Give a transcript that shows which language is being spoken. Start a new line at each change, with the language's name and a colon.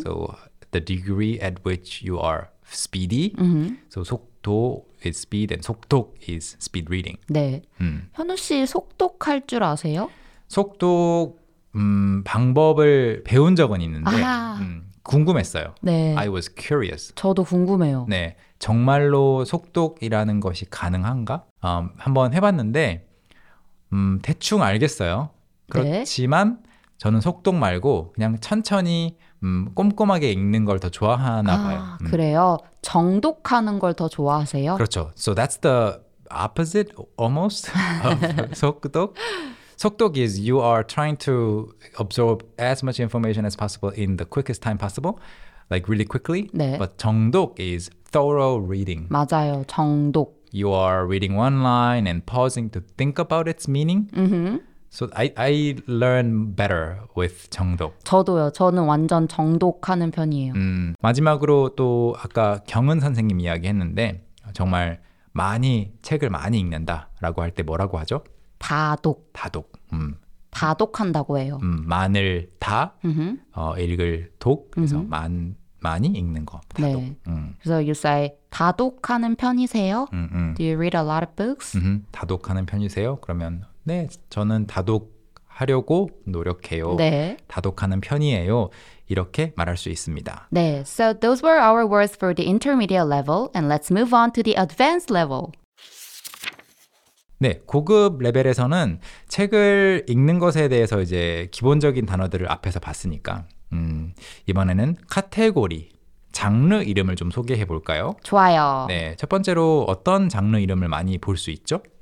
English: So, the degree at which you are speedy. Mm-hmm. So, 속도 is speed, and 속독 is speed reading.
Korean: 네. 현우 씨, 속독할 줄 아세요? 속독 방법을 배운 적은 있는데 아. 궁금했어요. 네.
English: I was curious.
Korean: 저도 궁금해요. 네. 정말로 속독이라는 것이 가능한가? 한번 해봤는데 대충 알겠어요. 그렇지만 네. 저는 속독 말고 그냥 천천히 꼼꼼하게 읽는 걸 더 좋아하나 아, 봐요. 그래요? 정독하는 걸 더 좋아하세요?
English: 그렇죠. So that's the opposite almost of 속독. 속독 is you are trying to absorb as much information as possible in the quickest time possible, like really quickly.
Korean: 네.
English: But 정독 is thorough reading.
Korean: 맞아요. 정독.
English: You are reading one line and pausing to think about its meaning. Mm-hmm. So I learn better with 정독.
Korean: 저도요. 저는 완전 정독하는 편이에요. 마지막으로 또 아까 경은 선생님 이야기했는데 정말 많이 책을 많이 읽는다라고 할 때 뭐라고 하죠? 다독. 다독. 다독한다고 해요. 만을 다 읽을 독. 그래서 많이 읽는 거. 다독.
English: 네. So you say 다독하는 편이세요? Do you read a lot of books?
Korean: 다독하는 편이세요? 그러면 네, 저는 다독하려고 노력해요. 네. 다독하는 편이에요. 이렇게 말할 수 있습니다. 네.
English: So those were our words for the intermediate level and let's move on to the advanced level.
Korean: 네, 고급 레벨에서는 책을 읽는 것에 대해서 이제 기본적인 단어들을 앞에서 봤으니까 이번에는 카테고리, 장르 이름을 좀 소개해 볼까요? 좋아요. 네, 첫 번째로 어떤 장르 이름을 많이 볼 수 있죠?